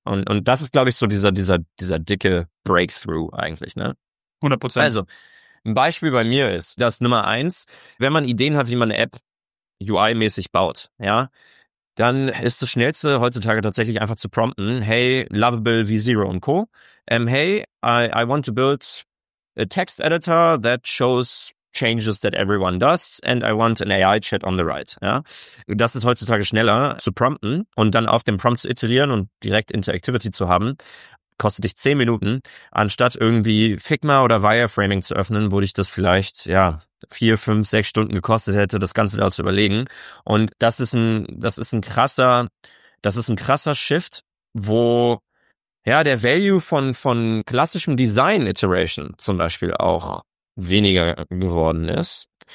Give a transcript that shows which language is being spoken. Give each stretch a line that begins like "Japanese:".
German: Und das ist, glaube ich, so dieser dicke Breakthrough eigentlich. Ne? 100%. Also, ein Beispiel bei mir ist, dass Nummer eins, wenn man Ideen hat, wie man eine App UI-mäßig baut, ja, dann ist das Schnellste heutzutage tatsächlich einfach zu prompten, hey, Lovable V0 und Co.
English: Hey, I want to build a text editor that shows changes that everyone does and I want an AI chat on the right.
German: Ja? Das ist heutzutage schneller zu prompten und dann auf dem Prompt zu iterieren und direkt Interactivity zu haben, kostet dich 10 Minuten, anstatt irgendwie Figma oder Wireframing zu öffnen, wo dich das vielleicht, ja, 4, 5, 6 Stunden gekostet hätte, das Ganze da zu überlegen. Und das ist ein krasser Shift, wo, ja, der Value von klassischem Design Iteration zum Beispiel auch weniger geworden ist.